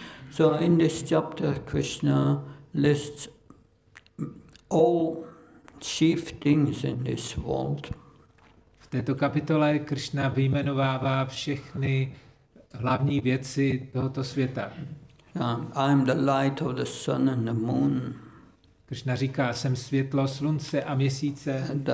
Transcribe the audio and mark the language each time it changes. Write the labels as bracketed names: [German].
[English] So in this chapter Krishna lists all chief things in this world. [Czech] V této kapitole Krishna vyjmenovává všechny hlavní věci tohoto světa. [English] I am the light of the sun and the moon. [Czech] Krishna říká, jsem světlo slunce a měsíce.